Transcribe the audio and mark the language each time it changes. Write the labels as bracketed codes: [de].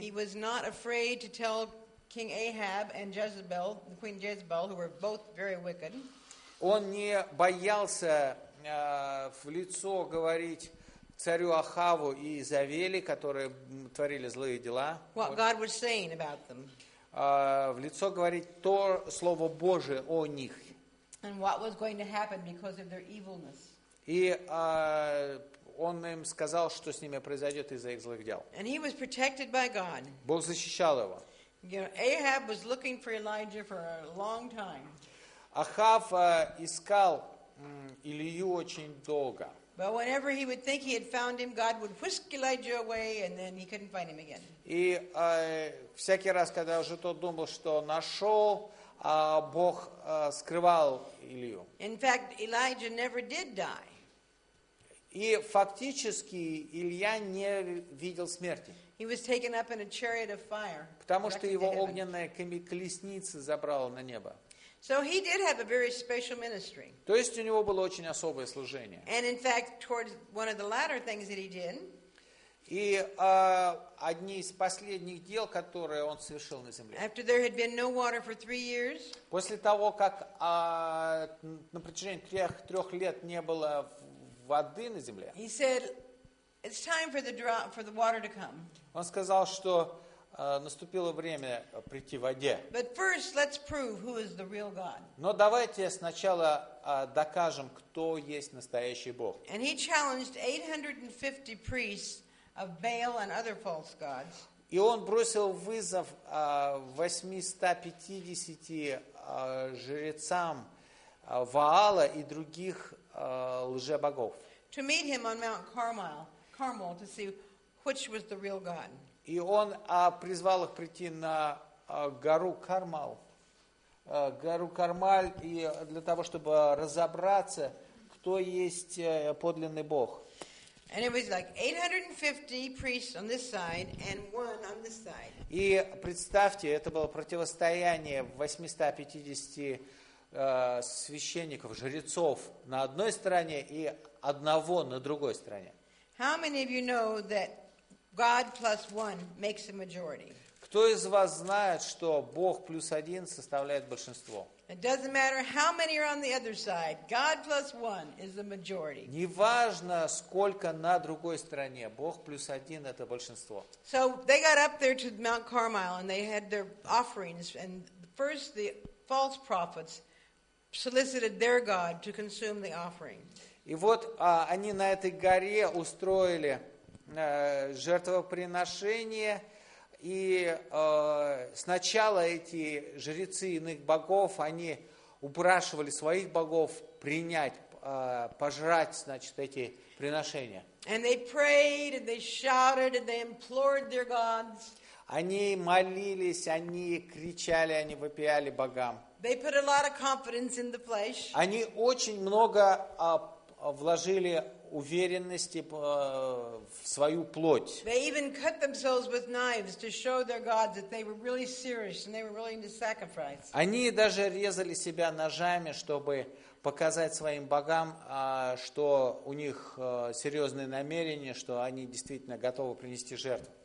[en] He was not afraid to tell King Ahab and Jezebel, Queen Jezebel, who were both very wicked. [ru] Он не боялся в лицо говорить царю Ахаву и Изавели, которые творили злые дела. [en] What God was saying about them. [ru] В лицо говорить то слово Божие о них. [en] And what was going to happen because of their evilness. [ru] И он им сказал, что с ними произойдет из-за их злых дел. [en] And he was protected by God. [ru] Бог защищал его. [en] You know, Ahab was looking for Elijah for a long time. [ru] Ахав искал Илию очень долго. [en] But whenever he would think he had found him, God would whisk Elijah away, and then he couldn't find him again. [ru] И всякий раз, когда уже тот думал, что нашел, Бог скрывал Илию. [en] In fact, Elijah never did die. [ru] И фактически Илья не видел смерти. [en] He was taken up in a chariot of fire. [ru] Потому что его огненная колесница забрала на небо. [en] So he did have a very special ministry. [ru] То есть у него было очень особое служение. [en] And in fact, towards one of the latter things that he did, [ru] И одни из последних дел, которые он совершил на земле. [en] After there had been no water for 3 years, [ru] после того, как на протяжении трех лет не было воды на земле, [en] he said, it's time for the drought, for the water to come. [ru] Он сказал, что наступило время прийти воде. [en] But first, let's prove who is the real God. [ru] Но давайте сначала докажем, кто есть настоящий Бог. [en] And he challenged 850 priests of Baal and other false gods. [ru] И он бросил вызов 850 жрецам Ваала и других лжебогов. [en] To meet him on Mount Carmel to see which was the real God. [ru] И он призвал их прийти на гору Кармал, гору Кармаль, и для того, чтобы разобраться, кто есть подлинный Бог. [en] And it was like 850 priests on this side and one on this side. [ru] И представьте, это было противостояние 850 священников, жрецов на одной стороне и одного на другой стороне. [en] How many of you know that God plus one makes a majority? [ru] Кто из вас знает, что Бог плюс один составляет большинство? [en] It doesn't matter how many are on the other side. God plus one is the majority. [ru] Неважно, сколько на другой стороне. Бог плюс один – это большинство. [en] So they got up there to Mount Carmel and they had their offerings. And first the false prophets solicited their God to consume the offering. [ru] И вот они на этой горе устроили жертвоприношение. И сначала эти жрецы иных богов, они упрашивали своих богов принять, пожрать, значит, эти приношения. [en] And they prayed, and they shouted, and they implored their gods. [ru] Они молились, они кричали, они вопияли богам. [en] They put a lot of confidence in the flesh. [ru] Они очень много вложили уверенности в свою плоть. [en] They even cut themselves with knives to show their gods that they were really serious and they were willing to sacrifice. [ru] Они даже резали себя ножами, чтобы показать своим богам, что у них серьезные намерения, что они действительно готовы принести жертву.